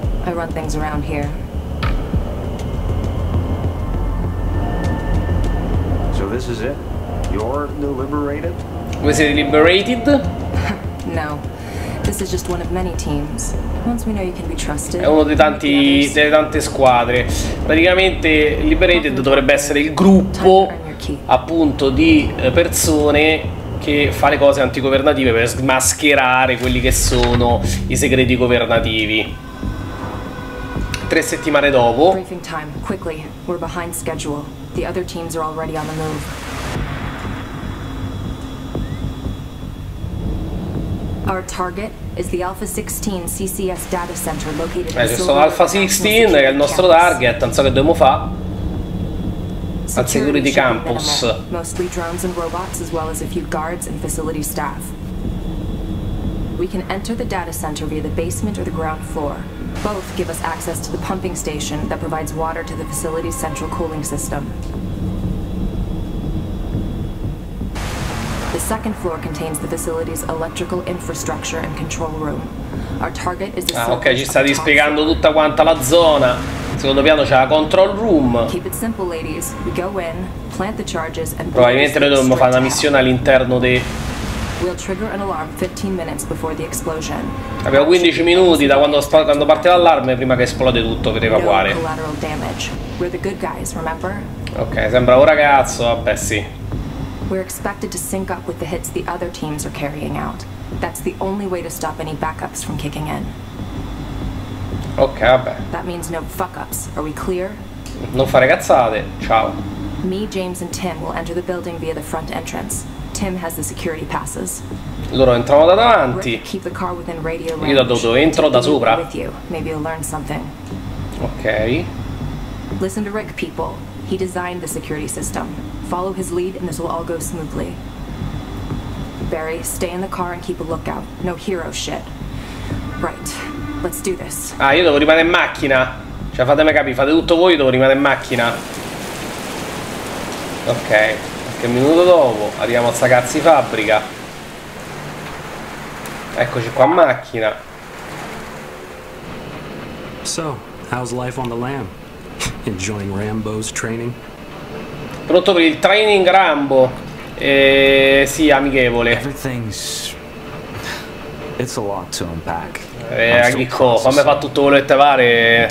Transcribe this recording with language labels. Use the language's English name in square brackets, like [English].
[English] I run things around here. So this is it? You're the Liberated? Was it Liberated? No. This is just one of many teams. Once we know you can be trusted, [Italian] è uno dei tanti, delle tante squadre. Praticamente Liberated dovrebbe essere il gruppo appunto di persone che fa le cose antigovernative per smascherare quelli che sono i segreti governativi. Tre settimane dopo. [English] Briefing time, quickly. We're behind schedule. The other teams are already on the move. Our target is the Alpha 16 CCS data center located in Silver. [Italian] Sono Alpha 16, che è il nostro target, non so che dobbiamo fa. [English] Al security campus. Mostly drones and robots as well as a few guards and facility staff. We can enter the data center via the basement or the ground floor. Both give us access to the pumping station that provides water to the facility's central cooling system. The second floor contains the facility's electrical infrastructure and control room. Our target is the [Italian] Ok, ci sta spiegando tutta quanta la zona. Secondo piano c'è la control room. [English] Keep it simple, ladies. We go in, plant the charges and [Italian] probabilmente noi dovremmo fare una missione all'interno di. [English] We'll trigger an alarm 15 minutes before the explosion. [Italian] Abbiamo 15 minuti da quando parte l'allarme prima che esplode tutto per evacuare. [English] No collateral damage. We're the good guys, remember? [Italian] Ok, sembra un ragazzo, vabbè sì. [English] We're expected to sync up with the hits the other teams are carrying out. That's the only way to stop any backups from kicking in. [Italian] Okay, vabbè. [English] That means no fuck-ups. Are we clear? [Italian] Non fare cazzate. Ciao. [English] Me, James, and Tim will enter the building via the front entrance. Tim has the security passes. [Italian] Loro entrano da davanti. [English] Rick, keep the car within radio range. [Italian] Io da dove entro? Da sopra. [English] With you. Maybe you'll learn something. Okay. Listen to Rick, people. He designed the security system. Follow his lead and this will all go smoothly. Barry, stay in the car and keep a lookout. No hero shit. Right, let's do this. [Italian] Ah, io devo rimanere in macchina. Cioè, fatemi capire, fate tutto voi, io devo rimanere in macchina. Ok, qualche minuto dopo arriviamo a sta cazzi fabbrica. Eccoci qua in macchina. [English] So, how's life on the lam? Enjoying Rambo's training? [Italian] Pronto per il training Rambo. Sì, amichevole. [English] Everything's... It's a lot to unpack. [Italian] Chicco, fammi fa tutto quello che te pare.